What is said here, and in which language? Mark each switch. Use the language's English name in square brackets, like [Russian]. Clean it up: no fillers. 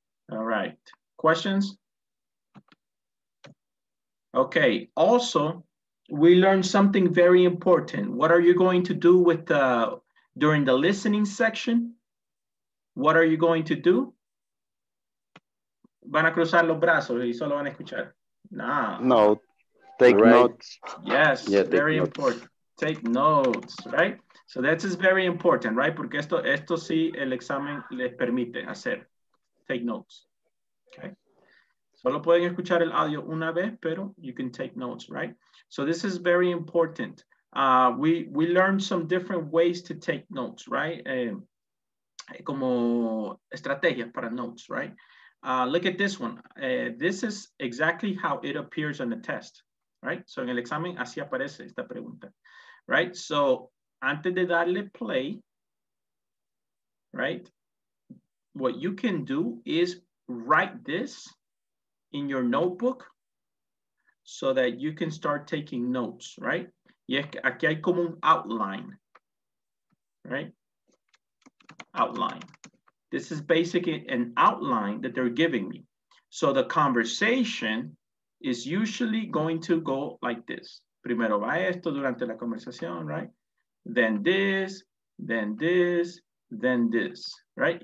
[English] All right. Questions? Okay, also, we learned something very important. What are you going to do with during the listening section? What are you going to do? [Spanish] Van a cruzar los brazos y solo van a escuchar. Nah. [English] No, take right. notes. Yes, yeah, very notes. Important. Take notes, right? So that is very important, right? [Spanish] Porque esto sí el examen les permite hacer. [English] Take notes, okay? [Spanish] Solo pueden escuchar el audio una vez, pero [English] you can take notes, right? So this is very important. We learned some different ways to take notes, right? [Spanish] Como estrategias para [English] notes, right? Look at this one. This is exactly how it appears on the test, right? [Spanish] So en el examen así aparece esta pregunta, right? So antes de darle play, right? [English] What you can do is write this in your notebook so that you can start taking notes, right? [Spanish] Y es que aquí hay como un outline, right? [English] Outline. This is basically an outline that they're giving me. So the conversation is usually going to go like this. [Spanish] Primero va esto durante la conversación, right? [English] Then this, right?